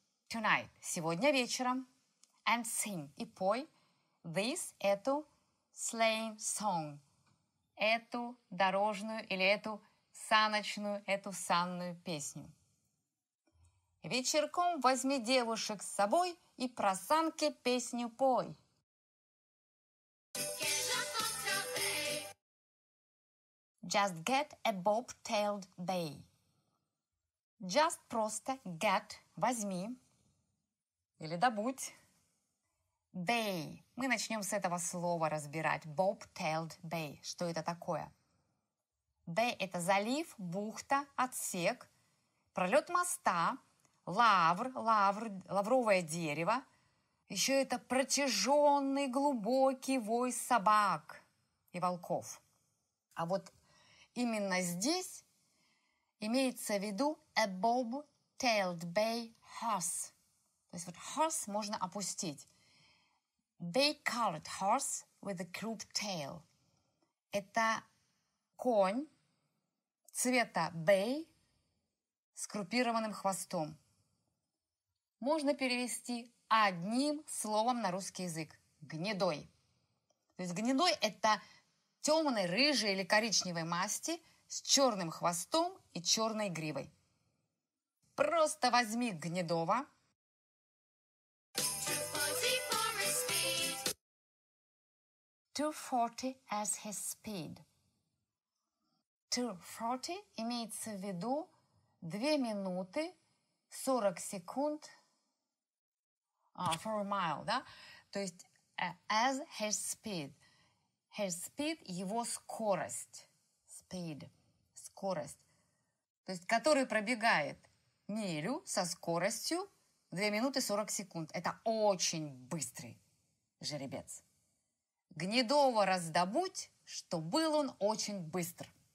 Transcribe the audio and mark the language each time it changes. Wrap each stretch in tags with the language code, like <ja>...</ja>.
<en>Tonight</en> <ru>– сегодня вечером.</ru> <en>And sing</en> <ru>– и пой.</ru> <en>This –</en> <ru>эту</ru> <en>Slaying song.</en> <ru>Эту дорожную или эту саночную, эту санную песню. Вечерком возьми девушек с собой и про санки песню пой.</ru> <en>Just get a bob-tailed bay. Just</en> <ru>просто</ru> <en>get,</en> <ru>возьми или добудь.</ru> <en>Bay.</en> <ru>Мы начнем с этого слова разбирать.</ru> <en>Bob-tailed bay.</en> <ru>Что это такое? Bay – это залив, бухта, отсек, пролет моста, лавровое дерево. Еще это протяженный глубокий вой собак и волков. А вот именно здесь имеется в виду</ru> <en>a bob-tailed bay horse.</en> <ru>То есть вот horse можно опустить.</ru> <en>Bay-colored horse with a crooked tail.</en> <ru>Это конь цвета bay с крупированным хвостом. Можно перевести одним словом на русский язык. Гнедой. То есть гнедой – это темной, рыжей или коричневой масти с черным хвостом и черной гривой. Просто возьми гнедого.</ru> <en>Two forty as his speed. Two forty</en> <ru>имеется в виду 2 минуты 40 секунд</ru> <en>for a mile,</en> <ru>да? То есть</ru> <en>as his speed. His speed</en> <ru>– его скорость. Speed – скорость. То есть который пробегает милю со скоростью 2 40 секунд. Это очень быстрый жеребец. Гнедого раздобудь, что был он очень быстр.</ru>